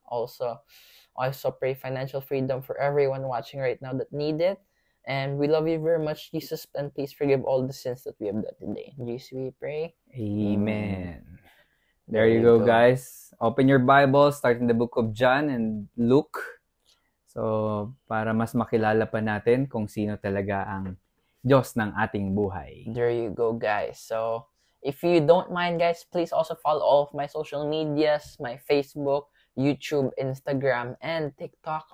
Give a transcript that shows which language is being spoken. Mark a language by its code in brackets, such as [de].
[en] Also, I also pray financial freedom for everyone watching right now that need it. And we love you very much, Jesus. And please forgive all the sins that we have done today. In Jesus we pray. Amen. There you go, guys. Open your Bible, starting the book of John and Luke. [tl] So, para mas makilala pa natin kung sino talaga ang Diyos ng ating buhay. [en] There you go, guys. So, if you don't mind, guys, please also follow all of my social medias, my Facebook, YouTube, Instagram, and TikTok.